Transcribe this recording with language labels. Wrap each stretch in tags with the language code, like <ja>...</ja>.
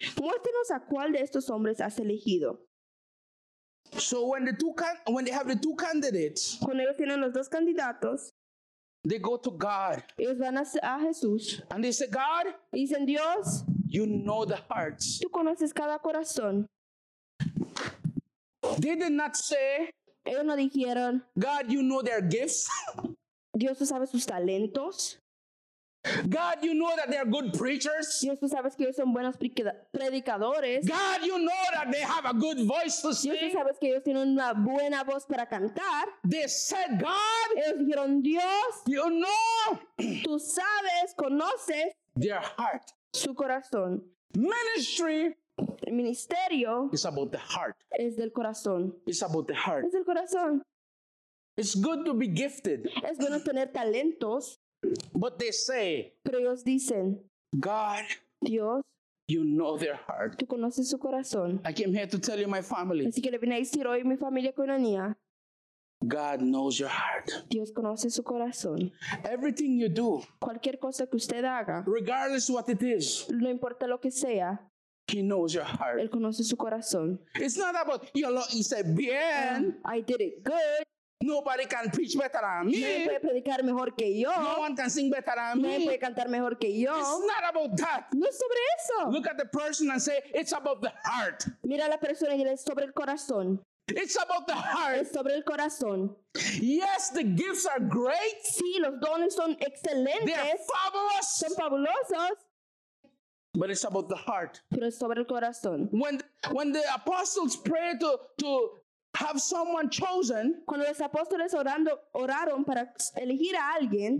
<es>Muéstranos a cuál de estos hombres has elegido.</es> <en>So when the two when they have the two candidates,</en> <es>cuando ellos tienen los dos candidatos,</es> <en>they go to God.</en> <es>Ellos van a Jesús.</es> <en>And they say, God,</en> <es>y dicen, Dios,</es> <en>you know the hearts.</en> <es>Tú conoces cada corazón.</es> <en>They did not say,</en> <es>ellos no dijeron,</es> <en>God, you know their gifts.</en> <es>Dios, tú sabes sus talentos.</es> <en>God, you know that they are good preachers.</en> <es>Dios, tú sabes que ellos son buenos predicadores.</es> <en>God, you know that they have a good voice to sing.</en> <es>Dios, tú sabes que ellos tienen una buena voz para cantar.</es> <en>They said, God,</en> <es>ellos dijeron, Dios,</es> <en>you know,</en> <es>tú sabes, conoces</es> <en>their heart,</en> <es>su corazón.</es> <en>Ministry,</en> <es>el ministerio,</es> <en>is about the heart,</en> <es>es del corazón.</es> <en>It's about the heart,</en> <es>es del corazón.</es> <en>It's good to be gifted.</en> <es>Es bueno tener talentos.</es> <en>But they say,</en> <es>pero ellos dicen,</es> <en>God,</en> <es>Dios,</es> <en>you know their heart.</en> <es>Tú conoces su corazón.</es> <en>I came here to tell you my family.</en> <es>Así que le vine a decir hoy mi familia coinonía.</es> <en>God knows your heart.</en> <es>Dios conoce su corazón.</es> <en>Everything you do,</en> <es>cualquier cosa que usted haga,</es> <en>regardless what it is,</en> <es>no importa lo que sea,</es> <en>He knows your heart.</en> <es>Él conoce su corazón.</es> <en>It's not about your Lord. He said, bien. I did it good. Nobody can preach better than me.</en> <es>Nadie puede predicar mejor que yo.</es> <en>No one can sing better than</en> <es>Nadie</es> <en>me.</en> <es>Nadie puede cantar mejor que yo.</es> <en>It's not about that.</en> <es>No es sobre eso.</es> <en>Look at the person and say, it's about the heart.</en> <es>Mira a la persona y le dice, sobre el corazón.</es> <en>It's about the heart.</en> <es>Es sobre el corazón.</es> <en>Yes, the gifts are great.</en> <es>Sí, los dones son excelentes.</es> <en>They are fabulous.</en> <es>Son fabulosos.</es> <en>But it's about the heart.</en> <es>Pero es sobre el corazón.</es> <en>When the apostles prayed to have someone chosen,</en> <es>cuando los apóstoles oraron para elegir a alguien,</es>